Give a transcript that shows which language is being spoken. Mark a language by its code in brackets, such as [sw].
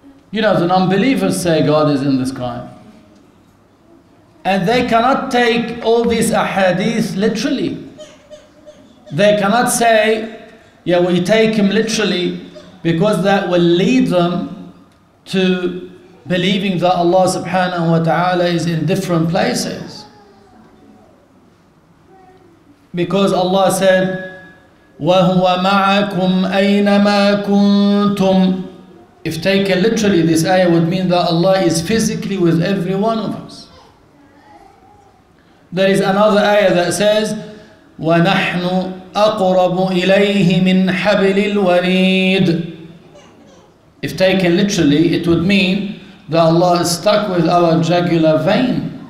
[en] You know, the non-believers say God is in the sky. And they cannot take all these ahadith literally. They cannot say, yeah, we take him literally, because that will lead them to believing that Allah subhanahu wa ta'ala is in different places. Because Allah said, [ar] وَهُوَ مَعَكُمْ أَيْنَمَا كُنْتُمْ. [en] If taken literally, this ayah would mean that Allah is physically with every one of us. There is another ayah that says, [ar] وَنَحْنُ أَقْرَبُ إِلَيْهِ مِنْ حَبْلِ الْوَرِيدِ. [en] If taken literally, it would mean that Allah is stuck with our jugular vein.